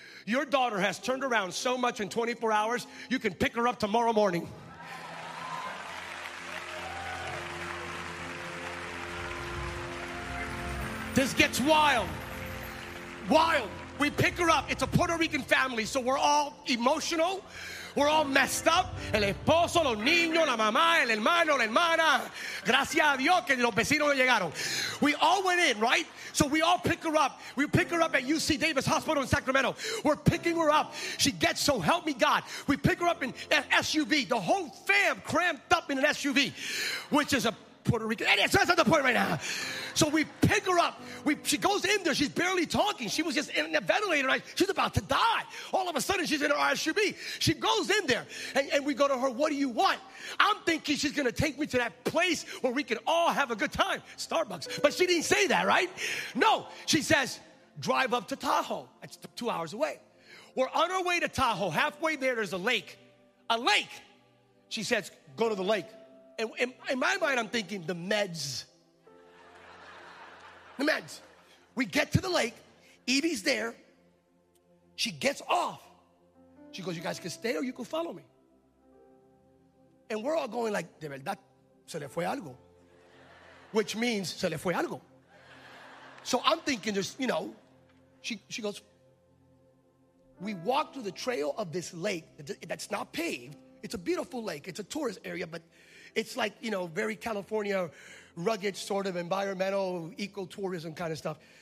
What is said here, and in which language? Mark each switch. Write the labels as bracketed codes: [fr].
[en] Your daughter has turned around so much in 24 hours, you can pick her up tomorrow morning. This gets wild. Wild. We pick her up. It's a Puerto Rican family, so we're all emotional. We're all messed up. [es] El esposo, los niños, la mamá, el hermano, la hermana. Gracias a Dios que los vecinos no llegaron. [en] We all went in, right? So we all pick her up. We pick her up at UC Davis Hospital in Sacramento. We're picking her up. She gets, so help me God. We pick her up in an SUV. The whole fam cramped up in an SUV, which is a Puerto Rican. Anyway, so that's not the point right now. So we pick her up. She goes in there. She's barely talking. She was just in a ventilator. She's about to die. All of a sudden, she's in her SUV. She goes in there, and we go to her, what do you want? I'm thinking she's going to take me to that place where we can all have a good time, Starbucks. But she didn't say that, right? No. She says, drive up to Tahoe. That's 2 hours away. We're on our way to Tahoe. Halfway there, there's a lake. A lake. She says, go to the lake. And in my mind, I'm thinking, the meds. The meds. We get to the lake. Evie's there. She gets off. She goes, you guys can stay or you can follow me. And we're all going like, [es] de verdad, se le fue algo. [en] Which means, [es] se le fue algo. [en] So I'm thinking, there's, you know, she goes, we walk through the trail of this lake that's not paved. It's a beautiful lake. It's a tourist area, but it's like, you know, very California, rugged sort of environmental, ecotourism kind of stuff.